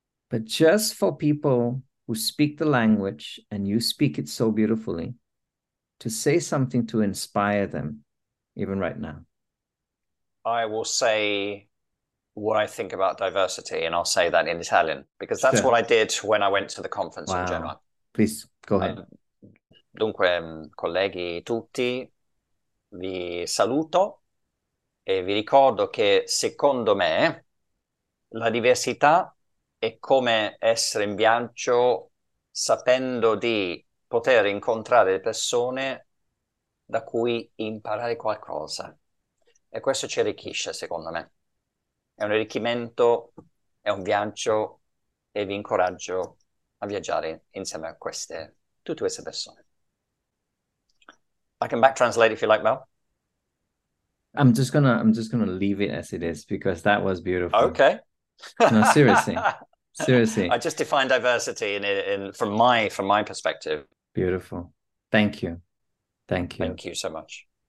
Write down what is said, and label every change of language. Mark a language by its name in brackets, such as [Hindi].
[English] But just for people who speak the language, and you speak it so beautifully, to say something to inspire them, even right now. I will say what I think about diversity, and I'll say that in Italian, because that's what I did when I went to the conference in Genoa. Please, go ahead. [Italian] Dunque, colleghi tutti, vi saluto e vi ricordo che secondo me la diversità è come essere in viaggio sapendo di poter incontrare persone da cui imparare qualcosa. E questo ci arricchisce, secondo me. È un arricchimento, è un viaggio, e vi incoraggio a viaggiare insieme a tutte queste persone. [English] I can back translate if you like, Mel. I'm just gonna leave it as it is, because that was beautiful. Okay. No, seriously. Seriously. I just define diversity in from my perspective. Beautiful. Thank you. Thank you. Thank you so much.